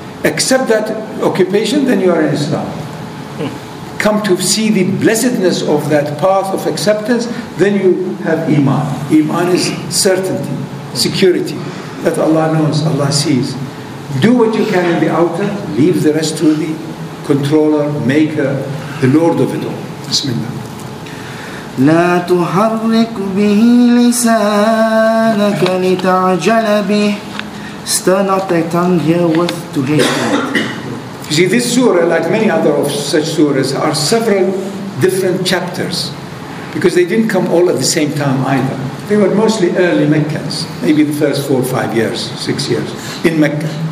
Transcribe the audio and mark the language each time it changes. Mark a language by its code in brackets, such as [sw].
[en] Accept that occupation, then you are in Islam. Come to see the blessedness of that path of acceptance, then you have Iman. Iman is certainty, security, that Allah knows, Allah sees. Do what you can in the outer, leave the rest to the controller, maker, the Lord of it all. [ar] Bismillah. لا تحرك به لسانك لتعجل به. [en] Stir not thy tongue herewith to hasten it. You see, this surah, like many other of such surahs, are several different chapters, because they didn't come all at the same time either. They were mostly early Meccans, maybe the first 4 or 5 years, 6 years in Mecca.